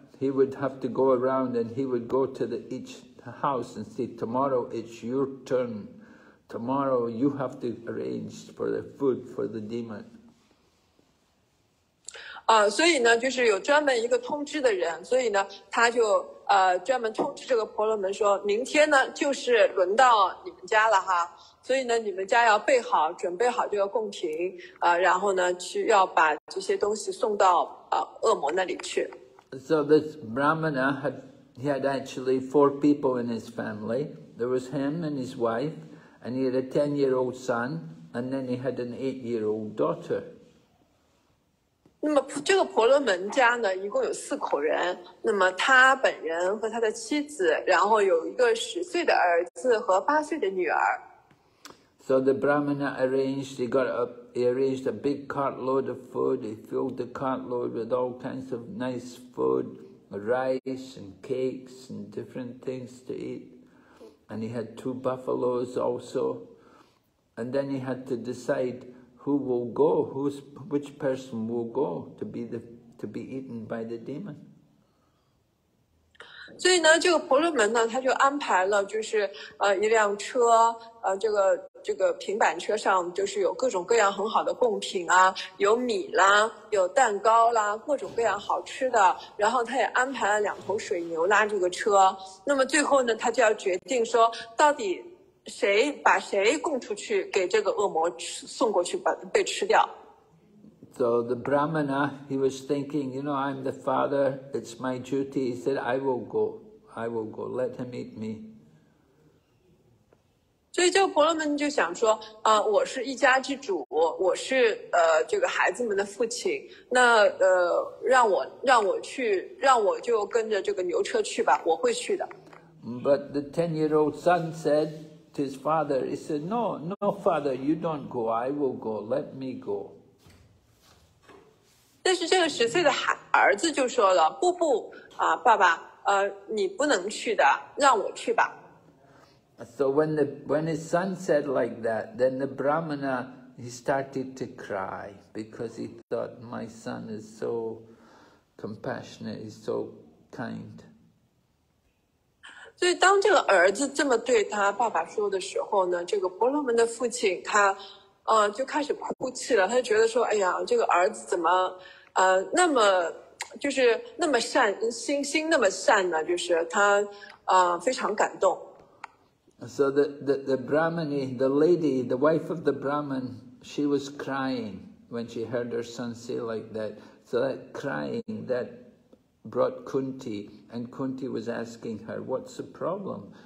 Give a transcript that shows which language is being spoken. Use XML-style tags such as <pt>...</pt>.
<en>He would have to go around, and he would go to the house and say, tomorrow it's your turn. Tomorrow you have to arrange for the food for the demon.</en> <zh>所以呢，就是有专门一个通知的人，所以呢，他就专门通知这个婆罗门说，明天呢就是轮到你们家了哈。所以呢，你们家要准备好这个贡品，然后呢，去要把这些东西送到恶魔那里去。</zh> <en>So this Brahmana had. He had actually four people in his family. There was him and his wife, and he had a 10-year-old son, and then he had an 8-year-old daughter.</en> <zh>那么这个婆罗门家呢，一共有四口人。那么他本人和他的妻子，然后有一个10岁的儿子和8岁的女儿。</zh> <en>So the Brahmana arranged. He arranged a big cartload of food. He filled the cartload with all kinds of nice food. rice and cakes and different things to eat. And he had two buffaloes also. And then he had to decide who will go, which person will go to be eaten by the demon.</en> <zh>所以呢，这个婆罗门呢，他就安排了，就是一辆车，这个平板车上就是有各种各样很好的贡品啊，有米啦，有蛋糕啦，各种各样好吃的。然后他也安排了两头水牛拉这个车。那么最后呢，他就要决定说，到底谁把谁供出去给这个恶魔送过去把被吃掉。</zh> <en>So the Brahmana, he was thinking, you know, I'm the father, it's my duty. He said, I will go, let him eat me.</en> <zh>所以这个婆罗门就想说，我是一家之主，我是这个孩子们的父亲，那让我就跟着这个牛车去吧，我会去的。</zh> <en>But the 10-year-old son said to his father, he said, no, father, you don't go, I will go, let me go.</en> <zh>但是这个十岁的儿子就说了不啊爸爸你不能去的让我去吧。</zh> <en>So when his son said like that, then the Brahmana, he started to cry because he thought my son is so compassionate, he's so kind.</en> <zh>所以当这个儿子这么对他爸爸说的时候呢这个婆罗门的父亲他就开始哭泣了他就觉得说哎呀这个儿子怎么那么就是那么善心那么善呢就是他非常感动。</zh> <en>So the Brahmani, the lady, the wife of the Brahman, she was crying when she heard her son say like that. So that crying that brought Kunti, and Kunti was asking her, what's the problem?</en>